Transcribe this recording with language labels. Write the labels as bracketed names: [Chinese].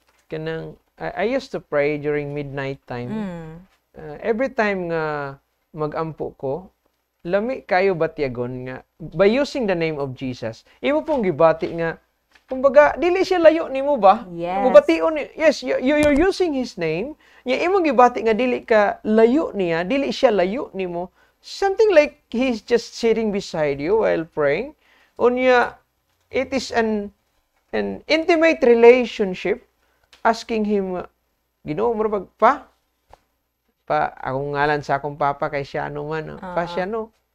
[English] Kanang I used to pray during midnight time. Every time [Cebuano] nga mag-ampo ko, lami kayo batyagon nga [English] by using the name of Jesus. [Cebuano] Imo pong gibati nga Kumbaga, dili siya layo ni mo ba? [English] Yes. [Cebuano] Mubation ni. [English] Yes, you're using his name. [Cebuano] Ya imong gibati nga dili ka layo niya, dili siya layo ni mo. [English] Something like he's just sitting beside you while praying. [Cebuano] Unya, [English] it is an intimate relationship asking him, [Cebuano] Ginoo, mura pag pa akong ngalan sa akong papa kay siya ano man, pa siya no.